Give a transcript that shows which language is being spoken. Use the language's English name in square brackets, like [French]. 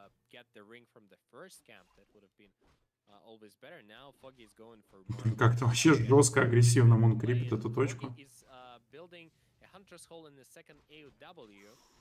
[English] Get the ring from the first camp. That would have been always better. Now Foggy is going for. [Russian] Как-то вообще жестко агрессивно Мун крипит эту точку. [English] He's building a hunter's hole in the second AOW.